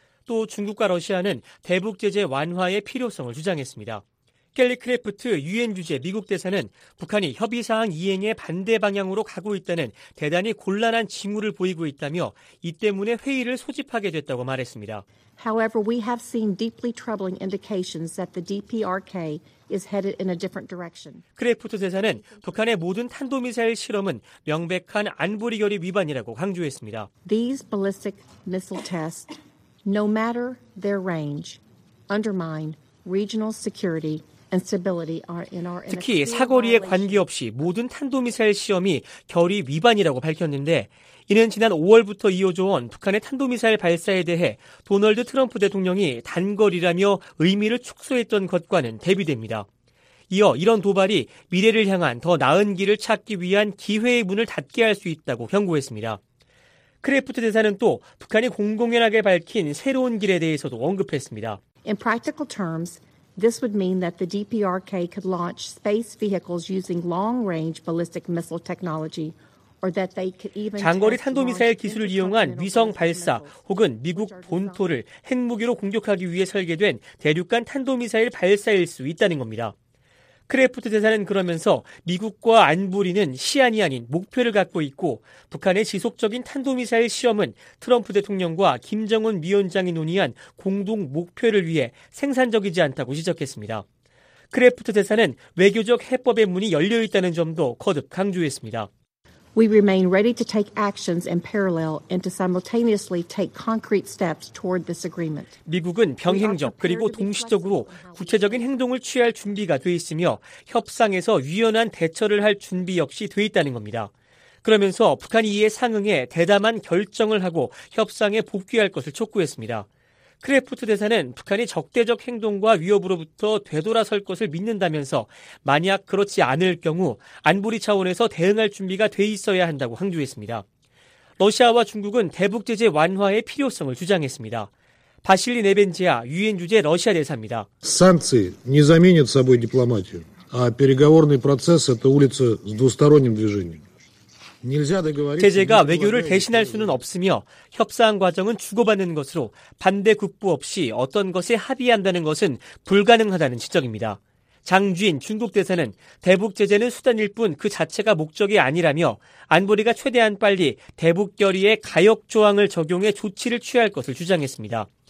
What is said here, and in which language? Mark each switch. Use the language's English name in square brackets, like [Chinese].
[Korean] 또 중국과 러시아는 대북 제재 완화의 필요성을 주장했습니다. 켈리 크래프트 유엔 주재 미국 대사는 북한이 협의사항 이행의 반대 방향으로 가고 있다는 대단히 곤란한 징후를 보이고 있다며 이 때문에 회의를 소집하게 됐다고 말했습니다. [English] However, we have seen deeply troubling indications that the DPRK is headed in a different direction. [Korean] 크래프트 대사는 북한의 모든 탄도미사일 실험은 명백한 안보리 결의 위반이라고 강조했습니다. [English] These ballistic missile tests, no matter their range, undermine regional security and stability are in our [Korean] 특히 사거리에 관계없이 모든 탄도미사일 시험이 결의 위반이라고 밝혔는데 이는 지난 5월부터 이어져온 북한의 탄도미사일 발사에 대해 도널드 트럼프 대통령이 단거리라며 의미를 축소했던 것과는 대비됩니다. 이어 이런 도발이 미래를 향한 더 나은 길을 찾기 위한 기회의 문을 닫게 할 수 있다고 경고했습니다. 크래프트 대사는 또 북한이 공공연하게 밝힌 새로운 길에 대해서도 언급했습니다. [English] In practical terms, this would mean that the DPRK could launch space vehicles using long-range ballistic missile technology. [Korean] 장거리 탄도미사일 기술을 이용한 위성 발사 혹은 미국 본토를 핵무기로 공격하기 위해 설계된 대륙간 탄도미사일 발사일 수 있다는 겁니다. 크래프트 대사는 그러면서 미국과 안보리는 시안이 아닌 목표를 갖고 있고 북한의 지속적인 탄도미사일 시험은 트럼프 대통령과 김정은 위원장이 논의한 공동 목표를 위해 생산적이지 않다고 지적했습니다. 크래프트 대사는 외교적 해법의 문이 열려있다는 점도 거듭 강조했습니다. [English] We remain ready to take actions in parallel and to simultaneously take concrete steps toward this agreement. [Korean] 미국은 병행적 그리고 동시적으로 구체적인 행동을 취할 준비가 돼 있으며 협상에서 유연한 대처를 할 준비 역시 돼 있다는 겁니다. 그러면서 북한이 이에 상응해 대담한 결정을 하고 협상에 복귀할 것을 촉구했습니다. 크래프트 대사는 북한이 적대적 행동과 위협으로부터 되돌아설 것을 믿는다면서 만약 그렇지 않을 경우 안보리 차원에서 대응할 준비가 돼 있어야 한다고 강조했습니다. 러시아와 중국은 대북 제재 완화의 필요성을 주장했습니다. 바실리 네벤지아 유엔 주재 러시아 대사입니다. [Russian] Санкции не заменят собой дипломатию, а переговорный процесс это улица с двусторонним движением. [Korean] 제재가 외교를 대신할 수는 없으며 협상 과정은 주고받는 것으로 반대 극부 없이 어떤 것에 합의한다는 것은 불가능하다는 지적입니다. 장주인 중국 대사는 대북 제재는 수단일 뿐 그 자체가 목적이 아니라며 안보리가 최대한 빨리 대북 결의에 가역 조항을 적용해 조치를 취할 것을 주장했습니다.